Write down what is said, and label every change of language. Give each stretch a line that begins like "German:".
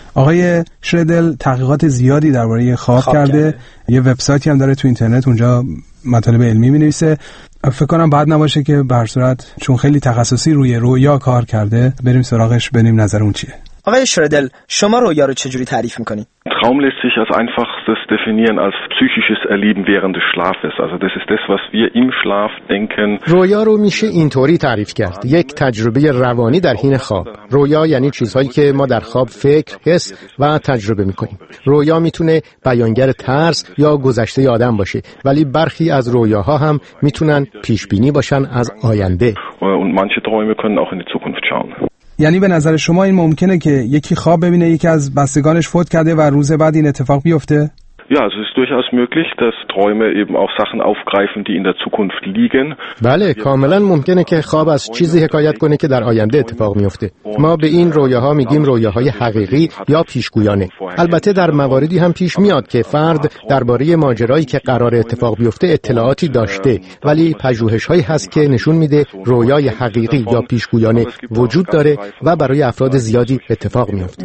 Persian: آقای شردل تحقیقات زیادی درباره خواب کرده. یه وبسایتی هم داره تو اینترنت، اونجا مطالب علمی می‌نویسه. فکر کنم بد نباشه که به هر صورت چون خیلی تخصصی روی رویا کار کرده بریم سراغش ببینیم نظر اون چیه. آقای شردل شما رویا رو چجوری تعریف می‌کنید؟
German: Traum lässt sich als einfachstes definieren als psychisches Erleben während des Schlafes. Also das ist das, was wir im Schlaf denken.
Persian: رویا رو میشه اینطوری تعریف کرد. یک تجربه روانی در حین خواب. رویا یعنی چیزهایی که ما در خواب فکر، حس و تجربه میکنیم. رویا میتونه بیانگر ترس یا گذشته آدم باشه، ولی برخی از رویاها هم میتونن پیش بینی باشن از آینده.
German: Und manche Träume können auch in die Zukunft schauen.
Persian: یعنی به نظر شما این ممکنه که یکی خواب ببینه یکی از بستگانش فوت کرده و روز بعد این اتفاق بیفته؟
German: Ja, es ist durchaus möglich, dass Träume eben auch Sachen aufgreifen, die in der Zukunft liegen.
Persian: بله، کاملا ممکنه که خواب از چیزی حکایت کنه که در آینده اتفاق میفته. ما به این رویاها میگیم رویاهای حقیقی یا پیشگویانه. البته در مواردی هم پیش میاد که فرد درباره ماجرایی که قرار اتفاق بیفته اطلاعاتی داشته، ولی پژوهش‌هایی هست که نشون میده رویای حقیقی یا پیشگویانه وجود داره و برای افراد زیادی اتفاق میفته.